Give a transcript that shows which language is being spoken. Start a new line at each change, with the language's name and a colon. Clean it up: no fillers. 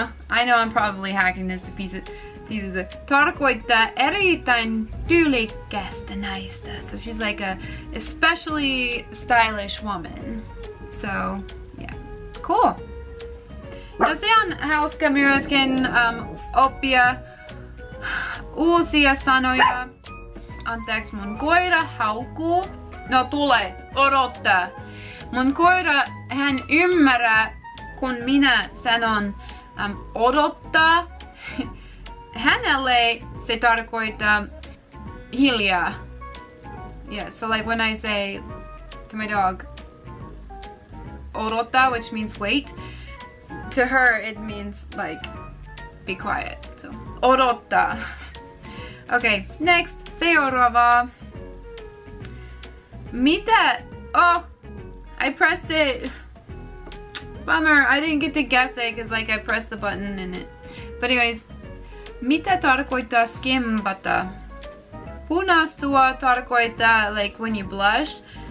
English: I know I'm probably hacking this to pieces.
Finnish: Tarkoittaa erittäin tyylikkästä naista.
English: So she's like a especially stylish woman. So, yeah. Cool.
Finnish: Tosiaan hauska myöskin oppia uusia sanoja. Anteeksi, mun koira haukkuu. No tule, odottaa. Mun koira, hän ymmärrä, kun minä sanon odottaa. Hänelle se tarkoittaa hiljaa.
English: Yeah, so like when I say to my dog, odottaa, which means wait. To her, it means like, be quiet. So, odottaa. Okay, next, seuraava. Mitä? Oh, I pressed it. Bummer, I didn't get to guess it because like I pressed the button in it. But anyways,
Finnish: mitä tarkoittaa skimbata? Punastua tarkoittaa
English: like when you blush.